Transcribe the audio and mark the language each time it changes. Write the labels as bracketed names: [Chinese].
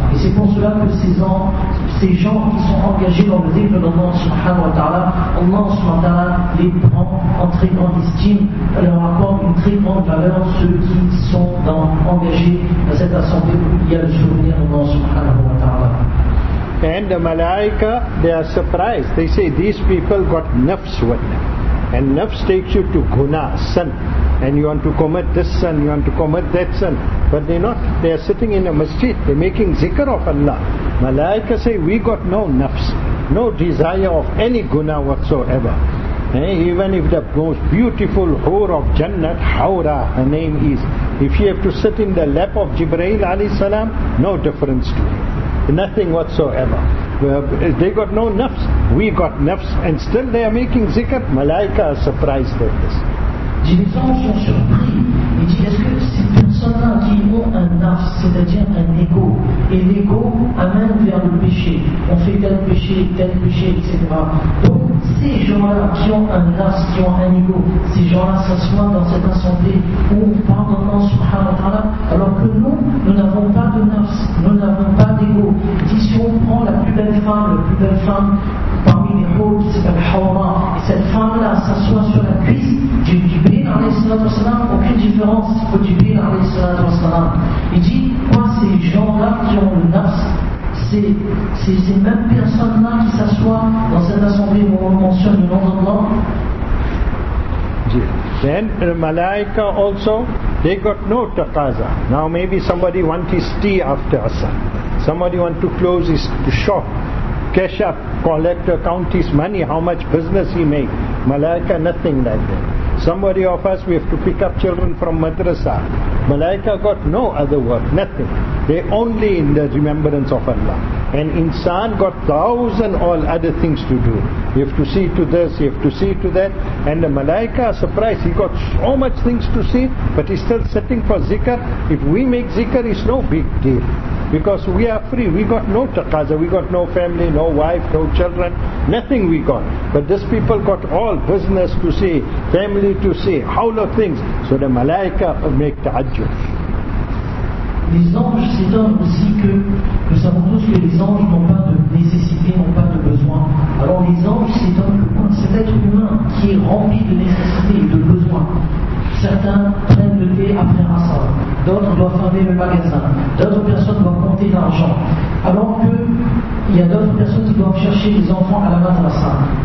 [French] Et c'est pour cela que ces gens qui sont engagés dans le dhikr d'Allah subhanahu wa ta'ala, Allah subhanahu wa ta'ala les prend en très grande estime, leur apporte une très grande valeur, ceux qui sont engagés dans cette assemblée où il y a le souvenir d'Allah subhanahu wa ta'ala. [English] And the Malaika, they are surprised. They say, these people got nafs with them. And nafs takes you to guna, sin. And you want to commit this sin, you want to commit that sin. But they're not. They're sitting in a masjid. They're making zikr of Allah. Malaika say, we got no nafs. No desire of any guna whatsoever. Even if the most beautiful whore of Jannat, Hawra, her name is, if she have to sit in the lap of Jibreel alayhi salam, no difference to her. Nothing whatsoever. They got no nafs, we got nafs, and still they are making zikr. Malaika are surprised at this. [French] Les gens sont surpris. Ils disent, est-ce que ces personnes-là qui ont un nafs, c'est-à-dire un ego, et l'ego amène vers le péché, on fait tel péché, etc. Donc ces gens-là qui ont un nafs, qui ont un ego, ces gens-là s'assoient dans cette assemblée où on parle maintenant subhanahu wa ta'ala, alors que nous, nous n'avons pas de nafs, nous n'avons pas d'ego. Si on prend la plus belle femme parmi les hôtes qui s'appelle Hawra, et cette femme-là s'assoit sur la cuisse du béni, aucune différence que tu béni, alayhi salatu wassalam. Il dit, quoi, ces gens-là qui ont le nafs, c'est ces mêmes personnes-là qui s'assoient dans cette assemblée où on mentionne le nom d'Allah. [English] Then Malaika also, they got no taqaza. Now maybe somebody want his tea after Asr. Somebody want to close his shop, cash up, collect or count his money, how much business he make. Malaika, nothing like that. Somebody of us, we have to pick up children from madrasa. Malaika got no other work, nothing. They only in the remembrance of Allah. And insan got thousand all other things to do. You have to see to this, you have to see to that. And the malaika are surprised. He got so much things to see, but he's still sitting for zikr. If we make zikr, it's no big deal. Because we are free. We got no taqaza. We got no family, no wife, no children. Nothing we got. But these people got all business to see, family to see, whole of things. So the malaika make ta'ajjud. [French] Les anges s'étonnent aussi que nous savons tous que les anges n'ont pas de nécessité, n'ont pas de besoin. Alors les anges s'étonnent que quand cet être humain qui est rempli de nécessité et de besoin, certains prennent le thé après un sabbat, d'autres doivent fermer le magasin, d'autres personnes doivent compter l'argent, alors qu'il y a d'autres personnes qui doivent chercher les enfants à la madrasa.